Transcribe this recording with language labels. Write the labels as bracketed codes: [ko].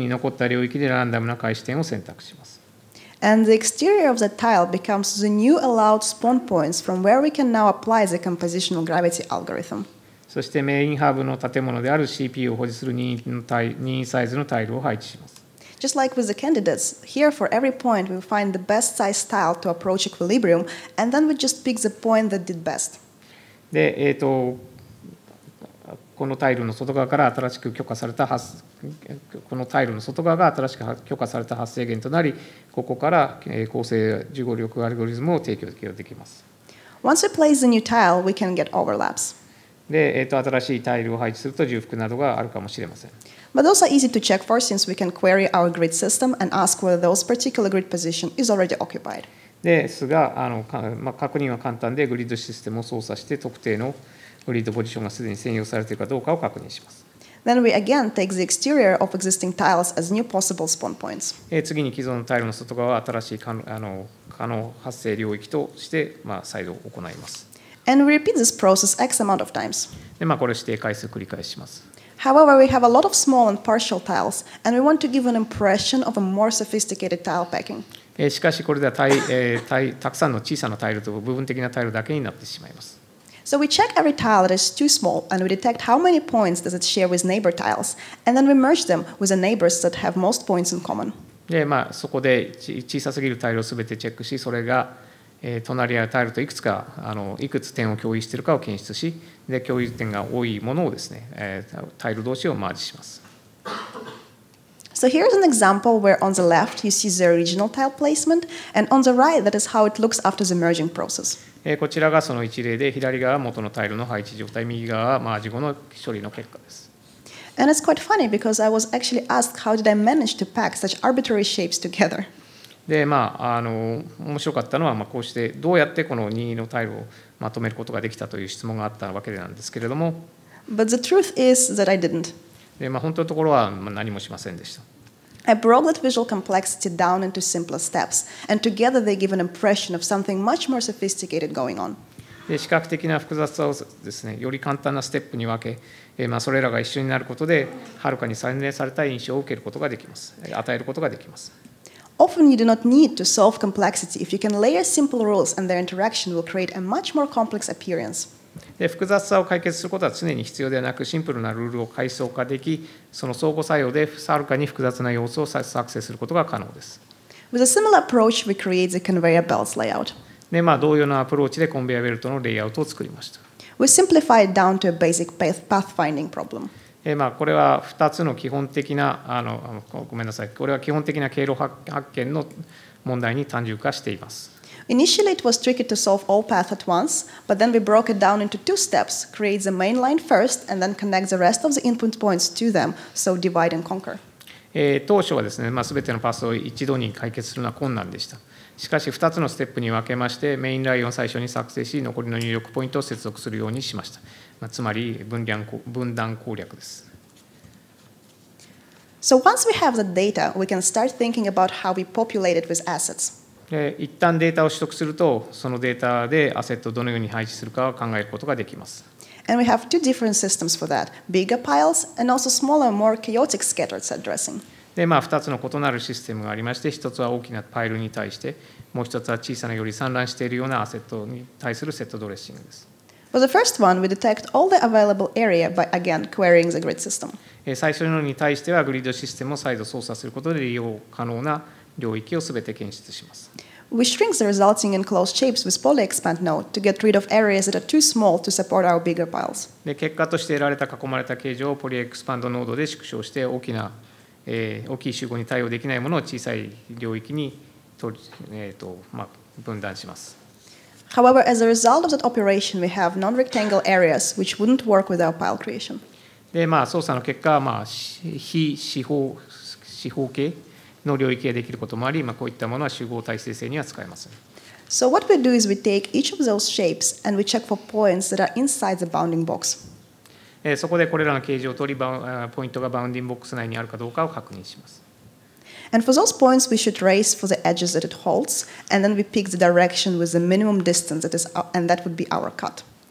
[ja] ランダムな開始点を選択します。 [en] And the exterior of the tile becomes the new allowed spawn points from where we can now apply the compositional gravity algorithm. [ja] そしてメインハブの建物である CPU を保持する任意サイズのタイルを配置します。 [en] Just like with the candidates, here for every point we find the best size tile to approach equilibrium, and then we just pick the point that did best. [ja] で、このタイルの外側から新しく許可された発、このタイルの外側が新しく許可された発生源となり、ここから構成受合力アルゴリズムを提供できます。 [en] Once we place the new tile, we can get overlaps. [ja] で、新しいタイルを配置すると重複などがあるかもしれません。 [en] But those are easy to check for since we can query our grid system and ask whether those particular grid position is already occupied. [ja] ですが、まあ、確認は簡単で、グリッドシステムを操作して特定のグリッドポジションがすでに占用されているかどうかを確認します。 [en] Then we again take the exterior of existing tiles as new possible spawn points. [ja] 次に既存のタイルの外側を新しい可能発生領域として、まあ、再度行います。 [en] And we repeat this process X amount of times. [ja] で、まあ、これを指定回数繰り返します。 [en] However, we have a lot of small and partial tiles, and we want to give an impression of a more sophisticated tile packing. [ja] しかしこれではたくさんの小さなタイルと部分的なタイルだけになってしまいます。 [en] So we check every tile that is too small, and we detect how many points does it share with neighbor tiles, and then we merge them with the neighbors that have most points in common. [ja] で、まあ、そこで小さすぎるタイルをすべてチェックし、それが隣り合うタイルといくつかいくつ点を共有しているかを検出し、で共有点が多いものをですね、タイル同士をマージします。 [en] So here's an example where on the left you see the original tile placement, and on the right that is how it looks after the merging process. [ja] こちらがその一例で、左側は元のタイルの配置状態、右側はマージ後の処理の結果です。 [en] And it's quite funny because I was actually asked how did I manage to pack such arbitrary shapes together. [ja] で、まあ、面白かったのは、まあ、こうしてどうやってこの任意のタイルをまとめることができたという質問があったわけなんですけれども。 [en] But the truth is that I didn't. [ja] でまあ、本当のところは何もしませんでした。 [en] I broke that visual complexity down into simpler steps, and together they give an impression of something much more sophisticated going on. [ja] で視覚的な複雑さをですね、より簡単なステップに分け、まあ、それらが一緒になることで、はるかに洗練された印象を受けることができます、与えることができます。 [en] Often you do not need to solve complexity if you can layer simple rules and their interaction will create a much more complex appearance. [ja] で複雑さを解決することは常に必要ではなく、シンプルなルールを階層化でき、その相互作用で、さらに複雑な様子を作成することが可能です。 [en] With a similar approach, we create the conveyor belt layout. [ja] で、まあ、同様なアプローチでコンベアベルトのレイアウトを作りました。 [en] We simplify it down to a basic pathfinding problem. [ja] で、まあ、これは2つの基本的な、ごめんなさい、これは基本的な経路発見の問題に単純化しています。 [en] Initially, it was tricky to solve all paths at once, but then we broke it down into two steps: create the main line first, and then connect the rest of the input points to them. So divide and conquer. [ja] 当初はですね、まあ、全てのパスを一度に解決するのは困難でした。しかし、2つのステップに分けまして、メインラインを最初に作成し、残りの入力ポイントを接続するようにしました。まあ、つまり分断攻略です。 [en] So once we have the data, we can start thinking about how we populate it with assets. [ja] 一旦データを取得すると、そのデータでアセットをどのように配置するかを考えることができます。 [en] And we have two different systems for that: bigger piles and also smaller, more chaotic scattered set dressing. [ja] で、まあ、2つの異なるシステムがありまして、1つは大きなパイルに対して、もう1つは小さなより散乱しているようなアセットに対するセットドレッシングです。 [en] For the first one, we detect all the available area by again querying the grid system. [ja] 最初のに対しては、グリッドシステムを再度操作することで利用可能な領域をすべて検出します。 [en] We shrink the resulting enclosed shapes with polyexpand node to get rid of areas that are too small to support our bigger piles. [ja] で、結果として得られた囲まれた形状をポリエクスパンドノードで縮小して大きい集合に対応できないものを小さい領域に分断します。 [en] However, as a result of that operation, we have non-rectangle areas which wouldn't work with our pile creation. [ja] で、まあ、操作の結果は、まあ、非四方形の領域ができることもあり、まあ、こういったものは集合体生成には使えません。 [en] So what we do is we take each of those shapes and we check for points that are inside the bounding box. [ja] そこでこれらの形状を取り、ポイントがバウンディングボックス内にあるかどうかを確認します。 [en] And for those points, we should race for the edges that it holds, and then we pick the direction with the minimum distance that is, and that would be our cut.